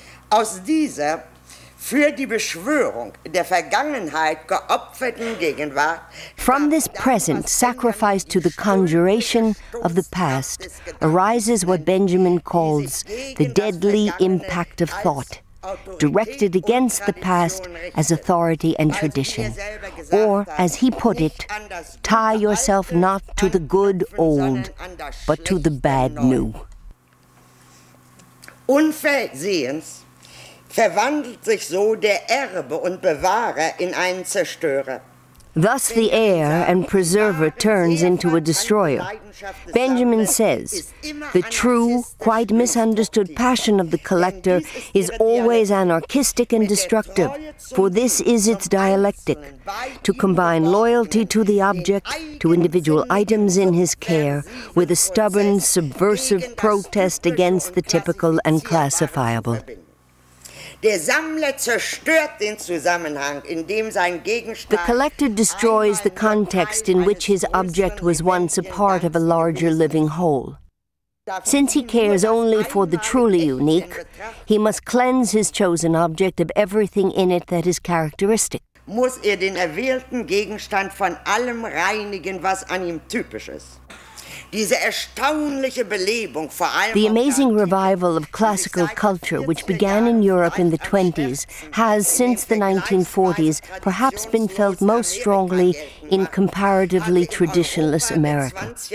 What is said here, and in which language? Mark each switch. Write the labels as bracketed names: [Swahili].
[German] Aus dieser für die Beschwörung der Vergangenheit geopferten Gegenwart. [English] From this present sacrifice to the conjuration of the past arises what Benjamin calls the deadly impact of thought, directed against the past as authority and tradition. Or, as he put it, tie yourself not to the good old, but to the bad new. [German] Unversehens verwandelt sich so der Erbe und Bewahrer in einen Zerstörer. [English] Thus the heir and preserver turns into a destroyer. Benjamin says, the true, quite misunderstood passion of the collector is always anarchistic and destructive, for this is its dialectic, to combine loyalty to the object, to individual items in his care, with a stubborn, subversive protest against the typical and classifiable. [German] Der Sammler zerstört den Zusammenhang, in dem sein Gegenstand. [English] The collector destroys the context in which his object was once a part of a larger living whole. Since he cares only for the truly unique, he must cleanse his chosen object of everything in it that is characteristic. [German] Muss den erwählten Gegenstand von allem reinigen, was an ihm typisch ist. [English] The amazing revival of classical culture, which began in Europe in the 20s, has since the 1940s perhaps been felt most strongly in comparatively traditionless America.